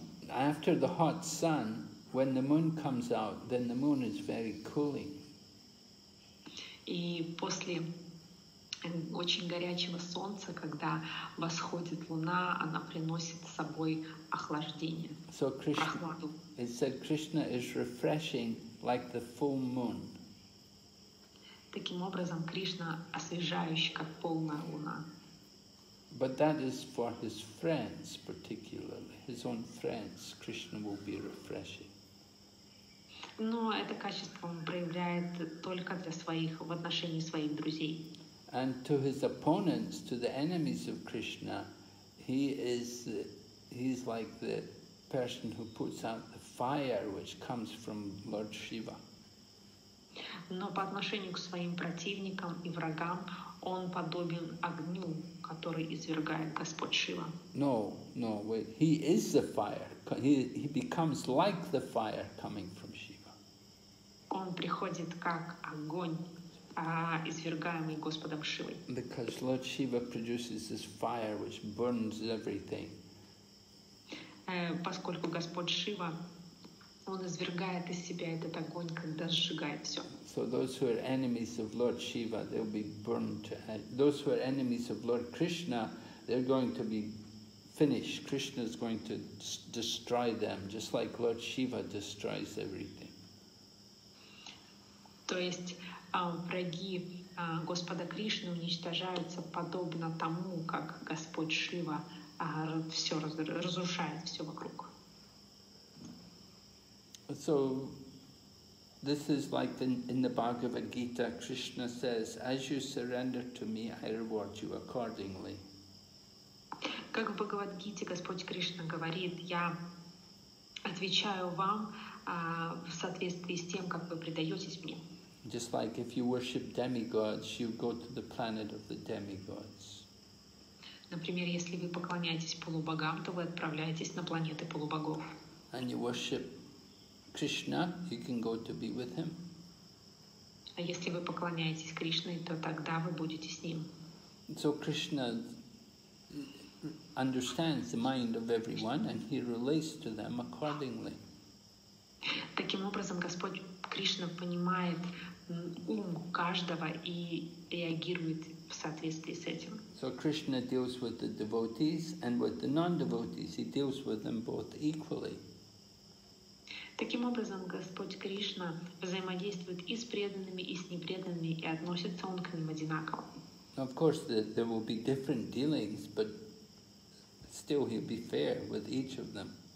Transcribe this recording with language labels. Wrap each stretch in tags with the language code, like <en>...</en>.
<en>After the hot sun, when the moon comes out, then the moon is very cooling.</en> <ru>И после очень горячего солнца, когда восходит луна, она приносит с собой охлаждение,</ru> <en>so Krishna,</en> <ru>прохладу.</ru> <en>It said Krishna is refreshing like the full moon.</en> <ru>Таким образом, Кришна освежающий, как полная луна.</ru> <en>But that is for his friends particularly. His own friends, Krishna will be refreshing.</en> <ru>Но это качество он проявляет только для своих, в отношении своих друзей.</ru> <en>And to his opponents, to the enemies of Krishna, he's like the person who puts out the fire which comes from Lord Shiva.</en> <ru>Но по отношению к своим противникам и врагам он подобен огню, который извергает Господь Шива.</ru> <en>No, wait. He is the fire. He becomes like the fire coming from Shiva.</en> <ru>Он приходит как огонь, извергаемый Господом Шивой.</ru> <en>Because Lord Shiva produces this fire which burns everything.</en> <ru>Поскольку Господь Шива, он извергает из себя этот огонь, когда сжигает все.</ru> <en>So those who are enemies of Lord Shiva, they'll be burned to ash. Those who are enemies of Lord Krishna, they're going to be finished. Krishna is going to destroy them, just like Lord Shiva destroys everything.</en> <ru>То есть враги Господа Кришны уничтожаются подобно тому, как Господь Шива все разрушает все вокруг.</ru> <en>So this is like in the Bhagavad Gita, Krishna says, as you surrender to me, I reward you accordingly.</en> <ru>Как в Бхагавад Гите Господь Кришна говорит, я отвечаю вам в соответствии с тем, как вы предаетесь мне.</ru> <en>Just like if you worship demigods, you go to the planet of the demigods.</en> <ru>Например, если вы поклоняетесь полубогам, то вы отправляетесь на планеты полубогов.</ru> <en>And you worship Krishna, you can go to be with him.</en> <ru>А если вы поклоняетесь Кришне, то тогда вы будете с ним.</ru> <en>So Krishna understands the mind of everyone and he relates to them accordingly.</en> <ru>Таким образом, Господь Кришна понимает ум каждого и реагирует в соответствии с этим.</ru> <en>So Krishna deals with the devotees and with the non-devotees. He deals with them both equally.</en> <ru>Таким образом, Господь Кришна взаимодействует и с преданными, и с непреданными, и относится он к ним одинаково.</ru> <en>Of course, there will be different dealings, but still he'll be fair with each of them.</en>